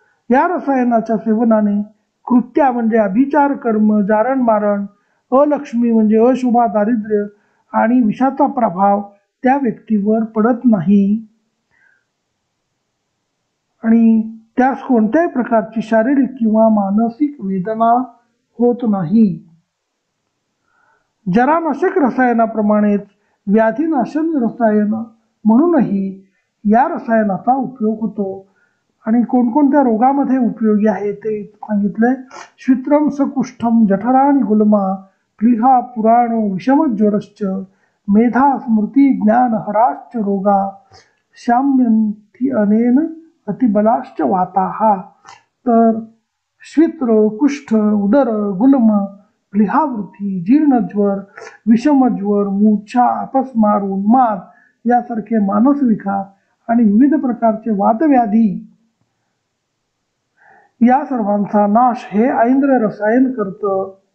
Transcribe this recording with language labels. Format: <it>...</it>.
<mr>या रसायनाच्या सेवनाने कृत्या म्हणजे अभिचार कर्म, जारण मारण, अलक्ष्मी म्हणजे अशुभा दारिद्र्य आणि विषाचा प्रभाव त्या व्यक्तीवर पडत नाही आणि त्यास कोणत्याही प्रकारची शारीरिक किंवा मानसिक वेदना होत नाही. जरानाशक रसायनाप्रमाणेच व्याधिनाशन रसायन म्हणूनही या रसायनाचा उपयोग होतो. आणि कोणकोणत्या रोगामध्ये उपयोगी आहे ते सांगितलंय.</mr> <sa>श्वित्रम सकुष्ठम जठराणि गुल्मा क्लिहा पुराण विषमज्वरश्च मेधा स्मृति ज्ञान हराश्च रोगा शाम्यन्ति अनेन अतिबलाश्च वाताः.</sa> <mr>तर श्वित्र कुष्ठ उदर गुल्म क्लिहावृत्ती जीर्णज्वर विषमज्वर मूर्छा अपस्मार उन्माद यासारखे मानस विकार आणि विविध प्रकारचे वातव्याधी या सर्वांचा नाश हे ऐंद्र रसायन करतं.</mr>